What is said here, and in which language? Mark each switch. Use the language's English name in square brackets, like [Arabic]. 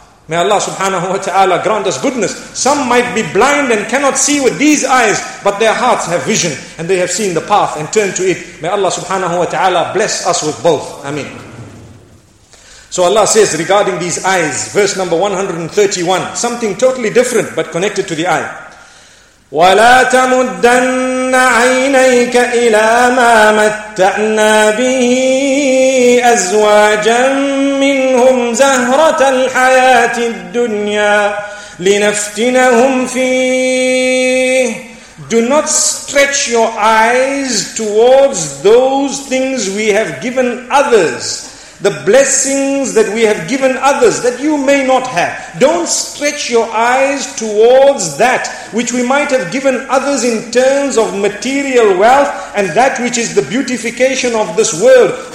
[English] May Allah subhanahu wa ta'ala grant us goodness. Some might be blind and cannot see with these eyes, but their hearts have vision and they have seen the path and turned to it. May Allah subhanahu wa ta'ala bless us with both. Ameen. So Allah says regarding these eyes, verse number 131, something totally different but connected to the eye. [Arabic] وَلَا تَمُدَّنَّ عينيك إلى ما متعنا به أزواجا منهم زهرة الحياة الدنيا لنفتنهم فيه. [English] Do not stretch your eyes towards those things we have given others, the blessings that we have given others that you may not have. Don't stretch your eyes towards that which we might have given others in terms of material wealth and that which is the beautification of this world.